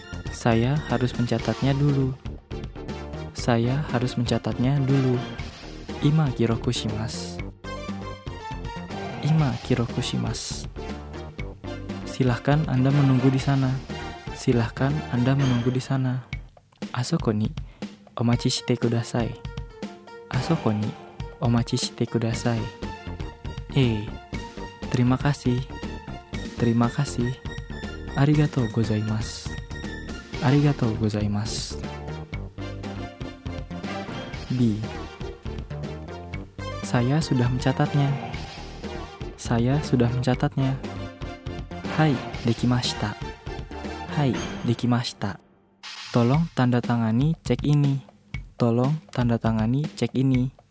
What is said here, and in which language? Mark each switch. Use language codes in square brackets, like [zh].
[id] Saya harus mencatatnya dulu. Saya harus mencatatnya dulu. [ja] Ima kiroku shimasu. Ima kiroku shimasu. [id] Silahkan Anda menunggu di sana. Silahkan Anda menunggu di sana. [ja] Asoko ni. お待ちしてください。あそこにお待ちしてください。 [id] A. Terima kasih. Terima kasih. [ja] ありがとうございます。ありがとうございます。B. [id] saya sudah mencatatnya. Saya sudah mencatatnya. [ja] Hai, dekimashita. Hai, dekimashita. [id] Tolong tanda tangani cek ini. Tolong tanda tangani cek ini.